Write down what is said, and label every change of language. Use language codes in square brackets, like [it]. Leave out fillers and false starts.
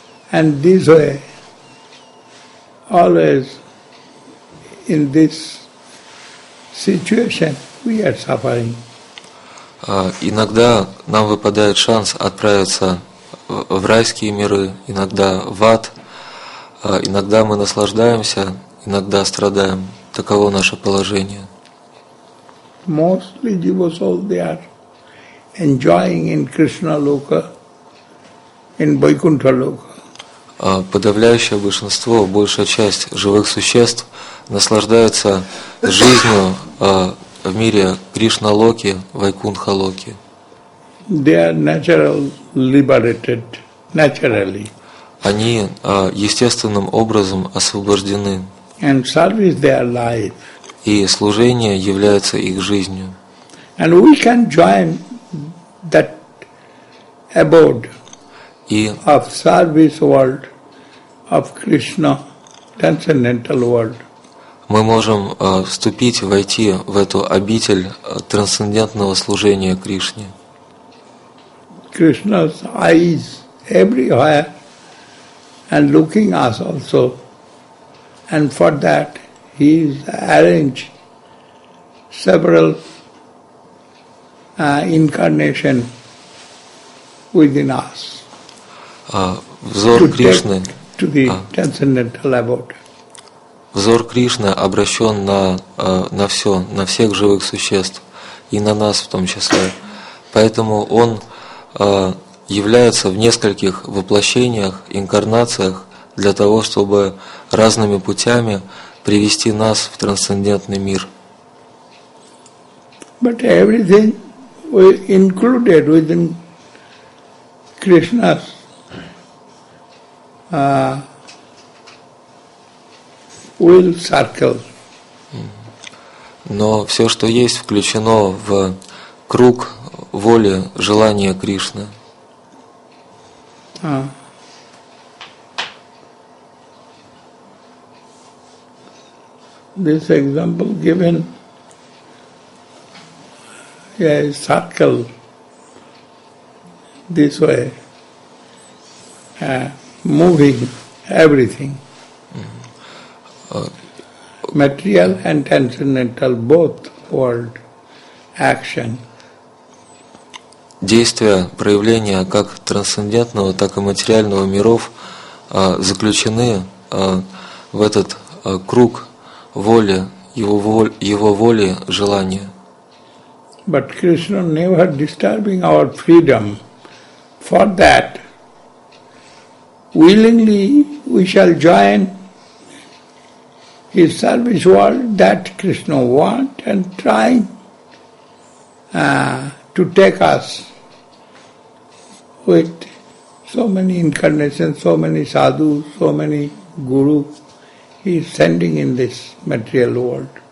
[en] And this way, always in this situation, we are suffering. [ru] Иногда нам выпадает шанс отправиться в райские миры, иногда в ад. Иногда мы наслаждаемся, иногда страдаем. Таково наше положение. [en] Mostly jiva soul, they are enjoying in Krishna loka, in Vaikuntha loka. [ru] Подавляющее большинство, большая часть живых существ наслаждаются жизнью в мире Кришна-локи, Вайкунха-локи. [en] They are naturally liberated, naturally. [ru] Они естественным образом освобождены. [en] And service their life. [ru] И служение является их жизнью. [en] And we can join that abode of service world, of Krishna, transcendental world. [ru] Мы можем вступить, войти в эту обитель трансцендентного служения Кришне. [en] Krishna's eyes everywhere and looking us also. And for that, he has arranged several incarnation within us. [ru] Взор Кришны [en] to the transcendental abode. [ru] Взор Кришны обращен на все, на всех живых существ, и на нас в том числе. Поэтому он является в нескольких воплощениях, инкарнациях для того, чтобы разными путями привести нас в трансцендентный мир. [en] But everything we included within Krishna's will circle. [ru] Но все, что есть, включено в круг воли, желания Кришны. [en] This example given a circle this way, moving everything. Material and transcendental, both world action. [ru] Действия, проявления как трансцендентного, так и материального миров заключены в этот круг воли, его воли, желания. [en] But Krishna never disturbing our freedom. For that, willingly we shall join His service world that Krishna want and try to take us with so many incarnations, so many sadhus, so many gurus He is sending in this material world.